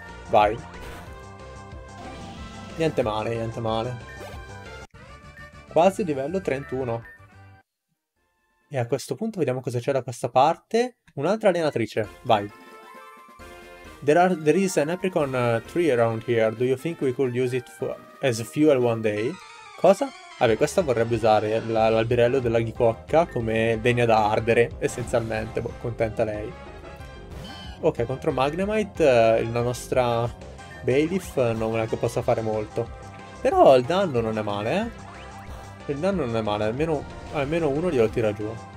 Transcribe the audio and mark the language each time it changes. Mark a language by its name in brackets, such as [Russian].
[Italian] Vai. Niente male, niente male. quasi livello 31. E a questo punto vediamo cosa c'è da questa parte. Un'altra allenatrice, vai. [English] There is an apricorn tree around here. Do you think we could use it as fuel one day? [Italian] Cosa? Vabbè, questa vorrebbe usare l'alberello della ghicocca come degna da ardere, essenzialmente. Boh, contenta lei. Ok, contro Magnemite, la nostra Bailiff non è che possa fare molto. Però il danno non è male, eh. Il danno non è male, almeno uno glielo tira giù.